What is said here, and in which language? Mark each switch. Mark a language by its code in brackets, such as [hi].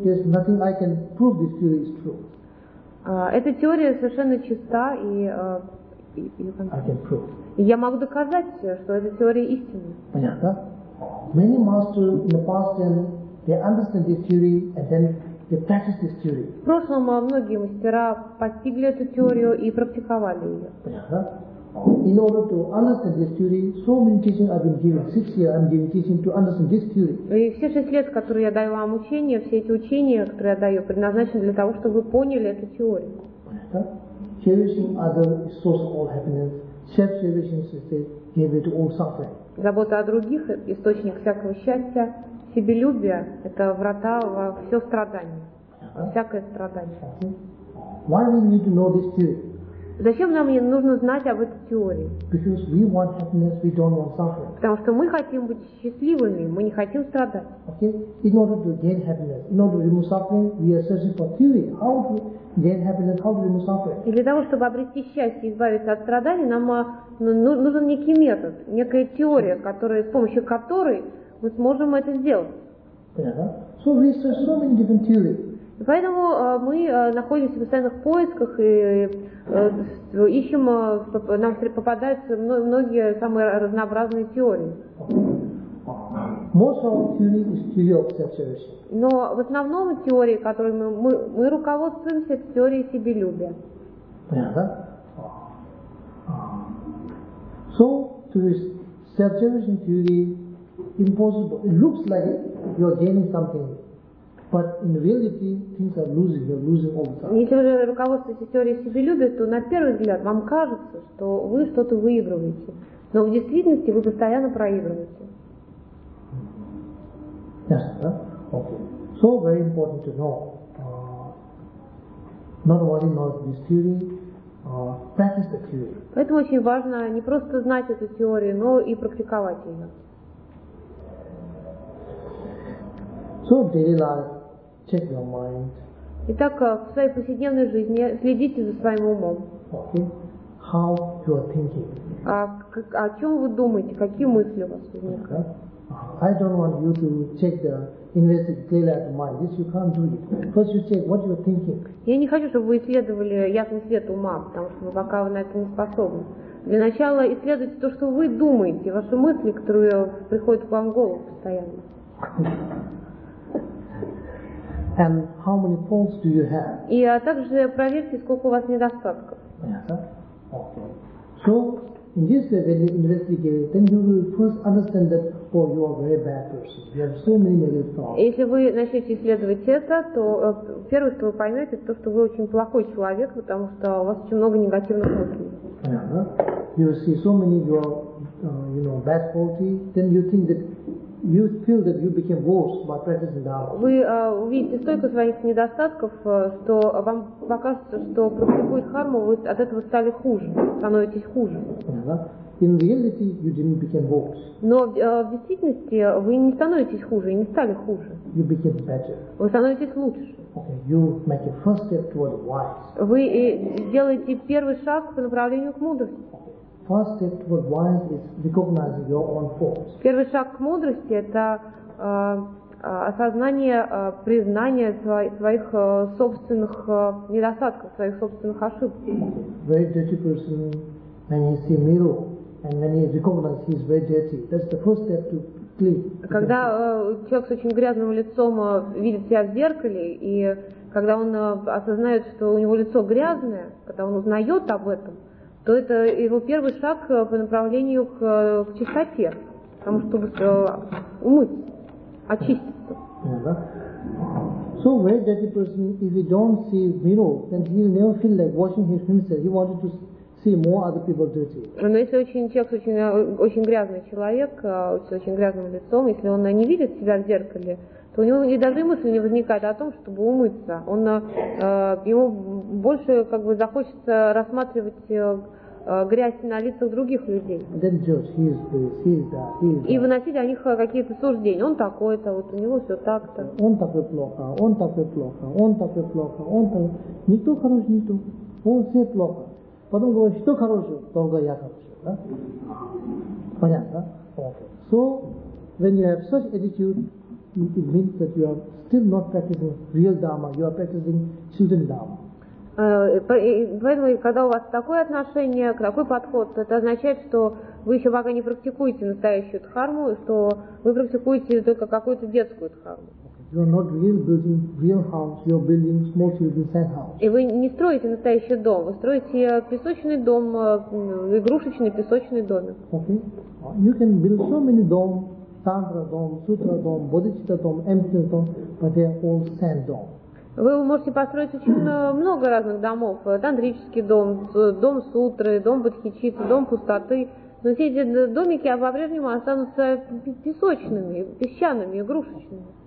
[en] There's nothing I can prove this theory is true. [ru] Эта теория совершенно чиста и [en] I can prove. [ru] Я могу доказать, что эта теория истинна. Понятно? [en] Many masters in the past then they understand this theory and then they practice this theory. [ru] В прошлом многие мастера постигли эту теорию и практиковали ее. [en] In order to understand this theory, so many teachings I've been giving. 6 years I'm giving teaching to understand this theory. [ru] И все 6 лет, которые я даю вам учения, все эти учения, которые я даю, предназначены для того, чтобы вы поняли эту теорию. [en] Cherishing others is source of all happiness. Self-cherishing is a gateway to all suffering. [ru] Забота о других — источник всякого счастья. Себелюбие — это врата во все страдание, всякое страдание. [en] Why we need to know this theory? [ru] Зачем нам нужно знать об этой теории? [en] Because we want happiness, we don't want suffering. [ru] Потому что мы хотим быть счастливыми, мы не хотим страдать. [en] Okay? In order to gain happiness, in order to remove suffering, we are searching for theory. How to gain happiness, how to remove suffering? [ru] И для того, чтобы обрести счастье и избавиться от страданий, нам нужен некий метод, некая теория, которая, с помощью которой мы сможем это сделать. [en] Yeah. So we search so many different theories. [ru] Поэтому мы находимся в постоянных поисках и ищем, нам попадаются многие самые разнообразные теории. [en] Most of our theory is theory of self-service. [ru] Но в основном теории, которой мы руководствуемся, это теория себелюбия. Понятно? [en] So, to this self-service theory, impossible. It looks like you are gaining something. But in reality, things are losing. You're losing all the time. [ru] Если вы руководствуетесь теорией себелюбия, то на первый взгляд вам кажется, что вы что-то выигрываете, но в действительности вы постоянно проигрываете. [en] Yes, sir. Okay. So very important to know. Not worry about this theory. Practice the theory. [ru] Поэтому очень важно не просто знать эту теорию, но и практиковать ее. [en] So daily life. Check your mind. [ru] Итак, в своей повседневной жизни следите за своим умом. [en] Okay. How you are thinking? [ru] О чем вы думаете? Какие мысли у вас возникают? [en] I don't want you to check the invested daily at mind. This you can't do it. First you check what you are thinking. [ru] Я не хочу, чтобы вы исследовали ясный свет ума, потому что вы пока на это не способны. Для начала исследуйте то, что вы думаете, ваши мысли, которые приходят к вам в голову постоянно. [en] And how many faults do you have? [ru] И также проверьте, сколько у вас недостатков. [en] Yes, sir. Okay. So, in this way, when you investigate, then you will first understand that, oh, you are a very bad person. You have so many negative thoughts. [ru] Если вы начнете исследовать это, то первое, что вы поймете, то, что вы очень плохой человек, потому что у вас очень много негативных мыслей. [en] Yes, sir. You see so many your, you know, bad faults, then you think that. You feel that you became worse by practicing Dharma. [ru] Вы увидите столько своих недостатков, что вам покажется, что практикуя Дхарму, вы от этого стали хуже, становитесь хуже. [en] In reality, you didn't become worse. [ru] Но в действительности вы не становитесь хуже, не стали хуже. [en] You became better. [ru] Вы становитесь лучше. [en] Okay, you make a first step toward wise. [ru] Вы делаете первый шаг по направлению к мудрости. [en] First step toward wise is recognizing your own faults. [ru] Первый шаг к мудрости – это осознание, признание своих собственных недостатков, своих собственных ошибок. [en] Very dirty person, when he sees mirror, and when he recognizes he is very dirty, that's the first step to clean. [ru] Когда человек с очень грязным лицом видит себя в зеркале и когда он осознает, что у него лицо грязное, когда он узнает об этом. То это его первый шаг по направлению к чистоте, потому что умыть, очиститься. [en] So very dirty person, if he don't see mirror, then he will never feel like washing his hands. He wanted to see more other people dirty. [ru] Но если очень грязный человек, с очень грязным лицом, если он не видит себя в зеркале, то у него и даже мысль не возникает о том, чтобы умыться. Он ему больше как бы захочется рассматривать грязь на лицах других людей. [en] Then judge, he is this, he is that, he is that. [ru] И выносить о них какие-то суждения. Он такой-то, вот у него все так-то. Он такой плохо, он такой плохо, он такой плохо, он такой. Никто хороший, никто. Он все плохо. Потом говорит, что хороший, только я хороший. Да? Понятно, да? [en] Okay. So, when you have such attitude, it means that you are still not practicing real Dharma, you are practicing children Dharma. [ru] Поэтому, когда у вас такое отношение, такой подход, это означает, что вы еще пока не практикуете настоящую дхарму, что вы практикуете только какую-то детскую дхарму. [en] You are not really building real house, you are building small children's sandhouse. [ru] И вы не строите настоящий дом, вы строите песочный дом, игрушечный песочный домик. [en] Okay. You can build so many domes, tantra dom, sutra dom, bodhicitta dom, emptiness dom, but they are all sand dom. [ru] Вы можете построить очень много разных домов. Тантрический дом, дом сутры, дом бодхичитты, дом пустоты. Но все эти домики по-прежнему останутся песочными, песчаными, игрушечными.